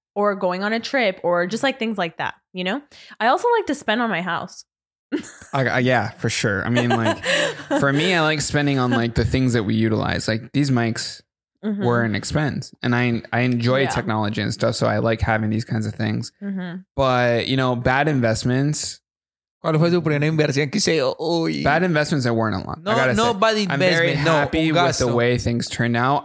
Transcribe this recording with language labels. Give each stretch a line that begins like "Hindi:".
English: Or going on a trip or just like things like that, you know? I also like to spend on my house. Yeah, for sure. I mean, like for me, I like spending on like the things that we utilize. Like these mics mm-hmm. were an expense. And I enjoy technology and stuff. So I like having these kinds of things. Mm-hmm. But, you know, bad investments.
Spanish: ¿Cuál fue su primera inversión que se oye?
English: Bad investments, there weren't a lot. No bad investment. I'm very happy with the way things turned out.